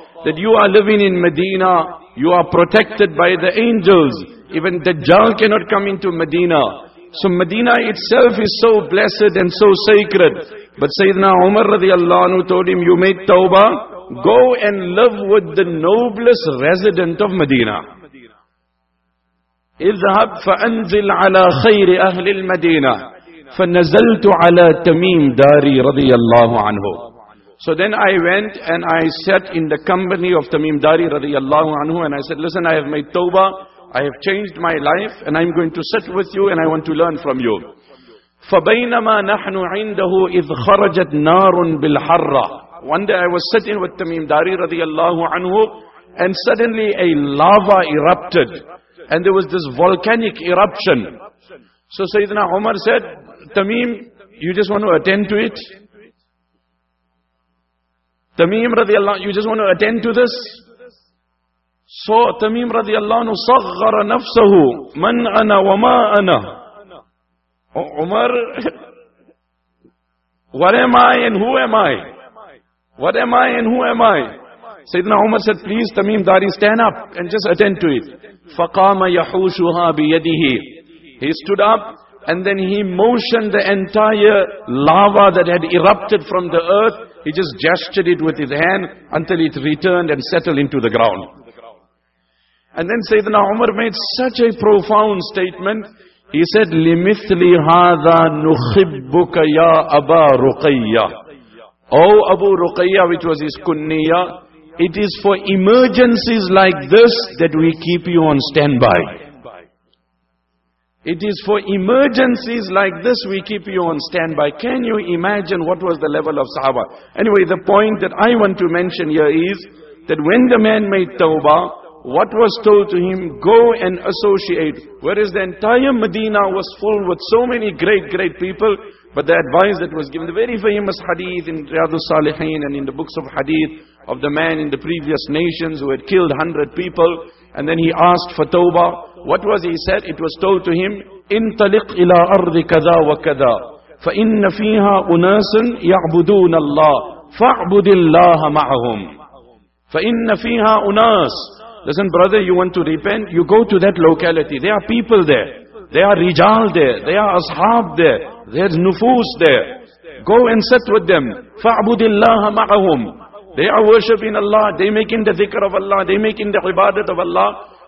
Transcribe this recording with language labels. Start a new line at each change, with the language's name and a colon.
English: That you are living in Medina, you are protected by the angels. Even Dajjal cannot come into Medina. So Medina itself is so blessed and so sacred. But Sayyidina Umar radiallahu anhu told him, you made tawbah, go and live with the noblest resident of Medina.
Arabic: اذهب فأنزل على خير أهل المدينة فنزلت على تميم داري رضي الله عنه.
English: So then I went and I sat in the company of Tamim Dari رضي الله عنه and I said, listen, I have made tawbah, I have changed my life and I'm going to sit with you and I want to learn from you.
Arabic: فبينما نحن عنده إذ خرجت نار بالحرة.
English: One day I was sitting with Tamim Dari رضي الله عنه and suddenly a lava erupted. And there was this volcanic eruption. So Sayyidina Umar said, Tamim, you just want to attend to it? Tamim radiallahu, you just want to attend to this? So Tamim radiallahu anhu
Arabic: saghara nafsahu, man ana wa ma ana.
English: Umar, what am I and who am I? Sayyidina Umar said, please Tamim Dari, stand up and just attend to it.
Arabic: فَقَامَ يَحُوشُهَا بِيَدِهِ.
English: He stood up and then he motioned the entire lava that had erupted from the earth. He just gestured it with his hand until it returned and settled into the ground. And then Sayyidina Umar made such a profound statement. He said,
Arabic: لِمِثْلِ هَذَا نُخِبُّكَ يَا أَبَا رُقَيَّ.
English: O Abu Ruqayya, which was his kunniya, it is for emergencies like this that we keep you on standby. It is for emergencies like this we keep you on standby. Can you imagine what was the level of sahaba? Anyway, the point that I want to mention here is that when the man made tawbah, what was told to him, go and associate. Whereas the entire Medina was full with so many great, great people. But the advice that was given, the very famous hadith in Riyadhus Salihin and in the books of hadith of the man in the previous nations who had killed 100 people. And then he asked for tawbah. What was he said? It was told to him,
Arabic: انطلق الى ارض كذا وكذا فان فيها اناس يعبدون الله فاعبد الله معهم فان فيها اناس.
English: Listen brother, you want to repent, you go to that locality. There are people there, there are rijal there, there are ashab there, there's nufus there. Go and sit with them.
Arabic: فاعبد الله معهم.
English: They are worshiping Allah, they make in the dhikr of Allah, they make in the ibadat of Allah.